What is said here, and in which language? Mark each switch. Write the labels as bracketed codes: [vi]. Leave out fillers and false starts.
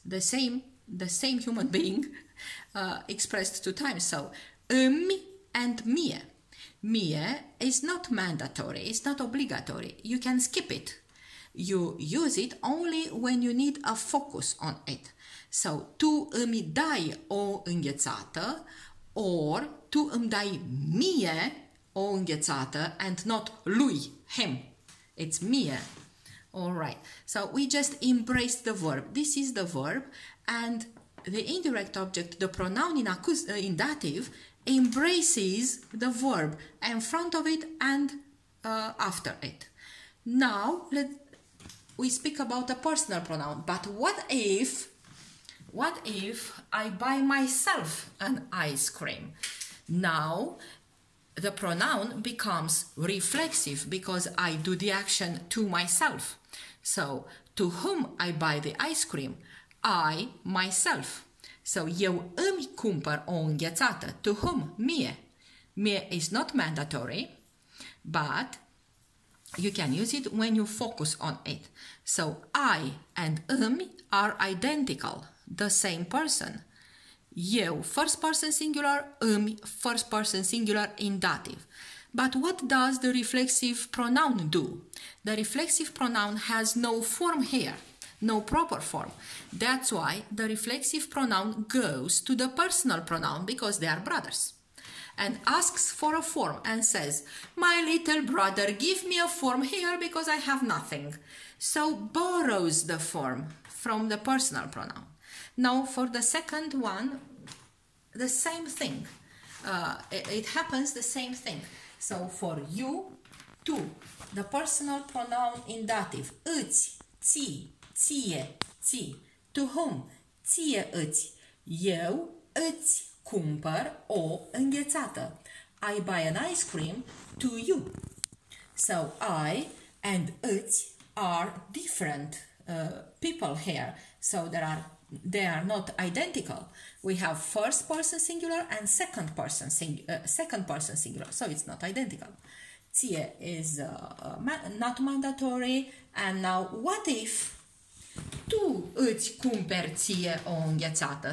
[en] The same human being expressed two times. So, îmi and mie. Mie is not mandatory. It's not obligatory. You can skip it. You use it only when you need a focus on it. [ro] So, tu îmi dai o înghețată or tu îmi dai mie o înghețată [en] and not [ro] lui, him. [en] It's mie. Alright, so we just embrace the verb. This is the verb, and the indirect object, the pronoun in in dative, embraces the verb in front of it and after it. Now, we speak about a personal pronoun, but what if I buy myself an ice cream? Now, the pronoun becomes reflexive because I do the action to myself. So, to whom I buy the ice cream? I, myself. [ro] So, eu îmi cumpăr o înghețată. [en] To whom? Mie. Mie is not mandatory, but you can use it when you focus on it. So, I and îmi are identical, the same person. Eu, first person singular, îmi, first person singular in dative. But what does the reflexive pronoun do? The reflexive pronoun has no form here, no proper form. That's why the reflexive pronoun goes to the personal pronoun because they are brothers and asks for a form and says, my little brother, give me a form here because I have nothing. So borrows the form from the personal pronoun. Now for the second one, the same thing. It happens the same thing. So, for you, tu, the personal pronoun in dative, îți, ți, ție, ți. To whom? Ție îți. [ro] Eu îți cumpăr o înghețată. [en] I buy an ice cream to you. So, I and îți are different people here. So, they are not identical. We have first person singular and second person singular, so it's not identical. Ție is not mandatory. And now, what if [ro] tu îți cumperi ție o înghețată?